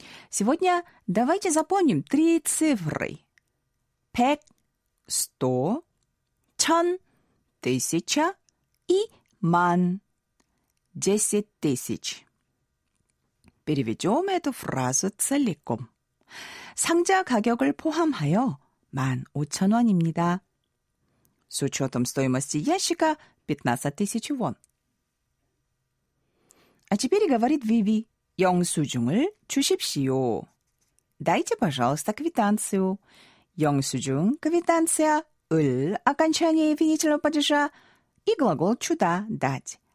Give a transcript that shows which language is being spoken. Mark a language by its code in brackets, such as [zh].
[ru] Сегодня давайте запомним три цифры. 100, 100, 1000, 1000 и 만, 10,000. Переведем эту фразу целиком. [ko] 상자 가격을 포함하여 15,000원입니다. [ru] С учетом стоимости ящика 15,000원. А теперь говорит Виви. [ko] 영수증을 주십시오. [ru] Дайте, пожалуйста, квитанцию. 영수증, квитанция, 을, окончание винительного падежа и глагол чуда, дать.